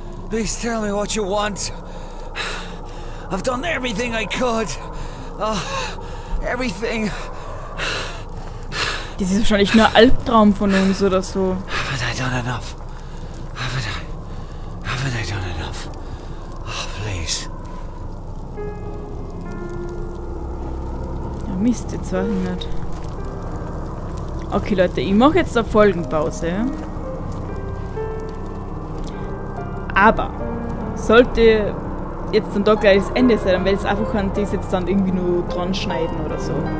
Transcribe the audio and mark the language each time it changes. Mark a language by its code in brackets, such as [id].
[en] Please tell me what you want. I've done everything I could. Everything. [de] Das ist wahrscheinlich nur Albtraum von uns oder so. [en] Haven't I done enough? Haven't I done enough? Oh, please. [de] Mist, jetzt war ich nicht. Okay, Leute, ich mache jetzt eine Folgenpause. Aber sollte jetzt dann doch gleich das Ende sein, dann werde ich es einfach an das jetzt dann irgendwie nur dran schneiden oder so.